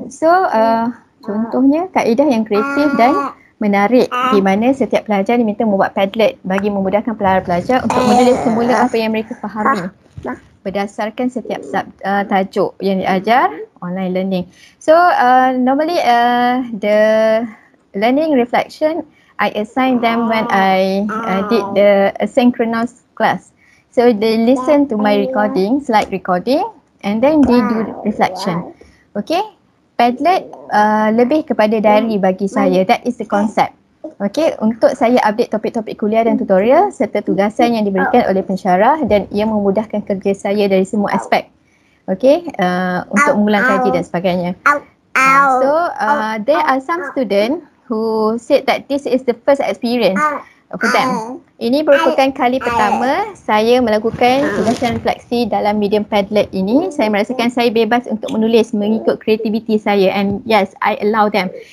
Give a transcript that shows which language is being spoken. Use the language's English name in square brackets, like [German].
[Malay] So, contohnya kaedah yang kreatif dan menarik di mana setiap pelajar diminta membuat Padlet bagi memudahkan pelajar untuk menulis semula apa yang mereka fahami berdasarkan setiap tajuk yang diajar online learning. [English] So, normally the learning reflection, I assign them when I did the asynchronous class. So they listen to my recording, slide recording, and then they do reflection. [Malay] Okay, Padlet lebih kepada diary bagi saya. [English] That is the concept. [Malay] Okay, untuk saya update topik-topik kuliah dan tutorial serta tugasan yang diberikan oleh pensyarah dan ia memudahkan kerja saya dari semua aspek. Okay, untuk mengulang kaji dan sebagainya. [English] So there are some students who said that this is the first experience for them. [Malay] Ini merupakan kali pertama saya melakukan tugasan refleksi dalam medium Padlet ini. Saya merasakan saya bebas untuk menulis mengikut kreativiti saya, [English] and yes, I allow them.